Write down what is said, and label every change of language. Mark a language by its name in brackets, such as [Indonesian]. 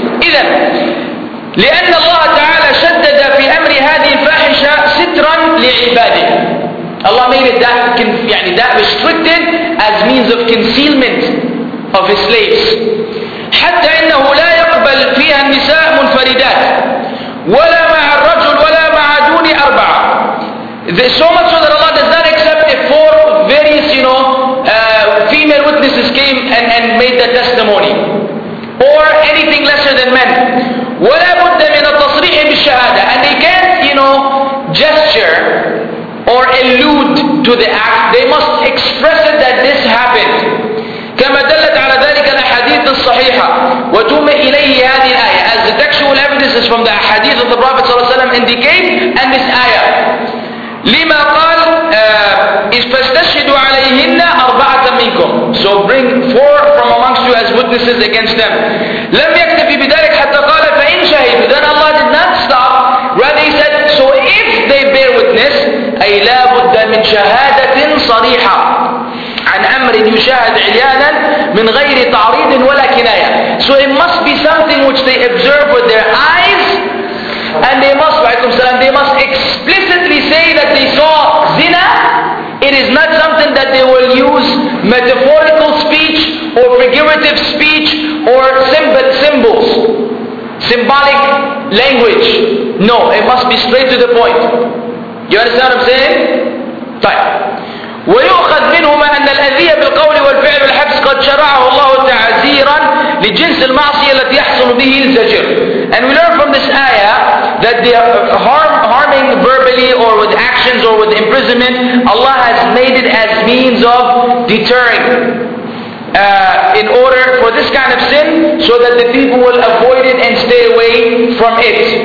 [Arabic] Idan, لأن الله تعالى شدد في أمر هذه الفاحشة سترا لعباده. [English] Allah made it that restricted as means of concealment of his slaves. [Arabic] حتى إنه لا يقبل فيها النساء منفردات ولا مع الرجل ولا مع دون أربعة. [English] So much so that Allah does not accept if four various, you know, female witnesses came and made the testimony or anything lesser than men. [Arabic] ولا بد من التصريح بالشهادة. [English] And they can't, you know, gesture or allude to the act. They must express it that this happened. [Arabic] كما دلت على ذلك الأحاديث الصحيحة وتوم إليه هذه الآية. [English] As the textual evidences from the hadith of the Prophet صلى الله عليه وسلم indicate, and this ayah. [Arabic] لما قال فاستشهدوا عليهن أربعة منكم. [English] So bring four from amongst you as witnesses against them. [Arabic] لم يكتفي بذلك حتى قال فإن شهدوا. [English] Then Allah did not stop. Rather he said, so if they bear witness, [Arabic] أي لا بد من شهادة صريحة عن أمر يشاهد عليانا من غير تعريض ولا كناية. [English] So it must be something which they observe with their eyes, and they must explicitly say that they saw zina. It is not something that they will use metaphorical speech or figurative speech or symbols, symbolic language. No, it must be straight to the point. You understand what I'm saying? [Arabic] طيب. ويؤخذ منهما أن الأذية بالقول والفعل والحبس قد شرعه الله تعزيرا لجنس المعصية التي يحصل به الزجر. [English] And we learn from this ayah that the harming verbally or with actions or with imprisonment, Allah has made it as means of deterring in order for this kind of sin, so that the people will avoid it and stay away from it.